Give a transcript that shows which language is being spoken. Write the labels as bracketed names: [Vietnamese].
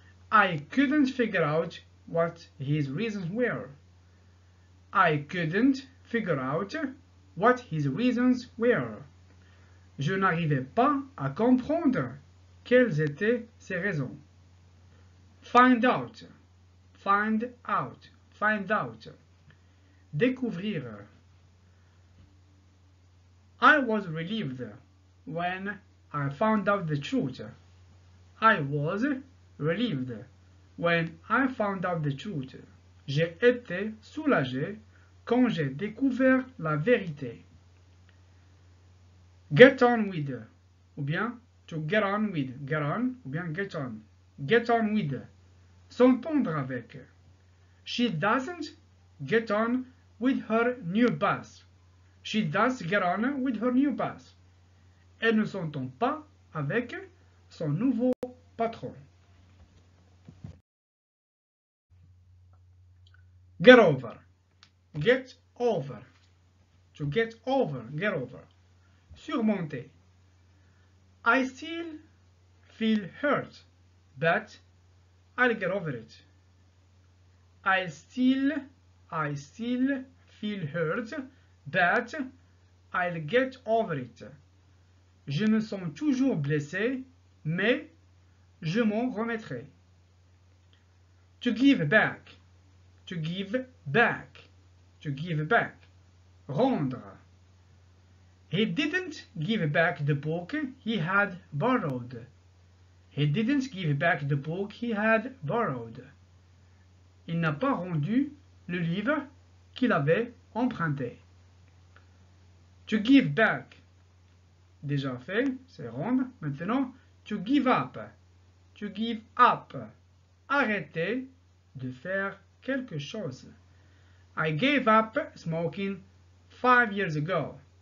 [English] I couldn't figure out what his reasons were. I couldn't figure out what his reasons were. [French] Je n'arrivais pas à comprendre quelles étaient ses raisons. [English] Find out. Find out. Find out. Découvrir. I was relieved when I found out the truth. I was relieved when I found out the truth. [French] J'ai été soulagé quand j'ai découvert la vérité. [English] Get on with, [French] ou bien [English] to get on with, get on, ou bien get on. Get on with, [French] s'entendre avec. [English] She doesn't get on with her new boss. She does get on with her new boss. [French] Elle ne s'entend pas avec son nouveau patron. [English] Get over. Get over. To get over. Get over. Surmonter. I still feel hurt, but I'll get over it. I still feel hurt, but I'll get over it. [French] Je me sens toujours blessé, mais je m'en remettrai. [English] To give back. To give back. To give back. Rendre. He didn't give back the book he had borrowed. He didn't give back the book he had borrowed. [French] Il n'a pas rendu le livre qu'il avait emprunté. [English] To give back. [French] Déjà fait, c'est rendre. Maintenant, [English] to give up. To give up. [French] Arrêter de faire quelque chose. [English] I gave up smoking 5 years ago.